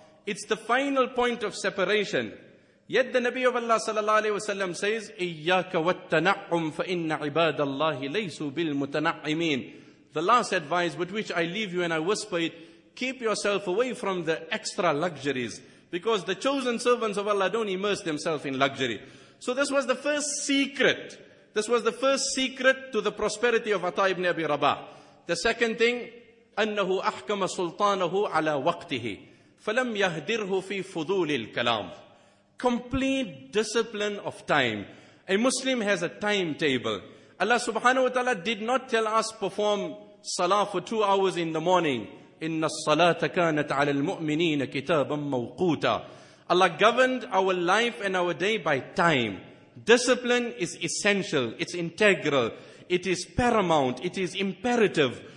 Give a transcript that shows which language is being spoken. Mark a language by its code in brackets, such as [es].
[en] It's the final point of separation. Yet the Nabi of Allah sallallahu alayhi wa sallam says, [ar] إِيَّاكَ وَالتَّنَعُّمْ فَإِنَّ عِبَادَ اللَّهِ لَيْسُوا بِالْمُتَنَعِّمِينَ. [en] The last advice with which I leave you and I whisper it, keep yourself away from the extra luxuries, because the chosen servants of Allah don't immerse themselves in luxury. So this was the first secret. This was the first secret to the prosperity of Ata ibn Abi Rabah. The second thing, [ar] أَنَّهُ أَحْكَمَ سُلْطَانَهُ عَلَى وَقْتِهِ فَلَمْ يَهْدِرْهُ فِي فُضُولِ الْكَلَامِ. [en] Complete discipline of time. A Muslim has a timetable. Allah subhanahu wa ta'ala did not tell us perform salah for 2 hours in the morning. [ar] إِنَّ الصَّلَاةَ كَانَتْ عَلَى الْمُؤْمِنِينَ كِتَابًا مَوْقُوتًا. [en] Allah governed our life and our day by time. Discipline is essential, it's integral, it is paramount, it is imperative.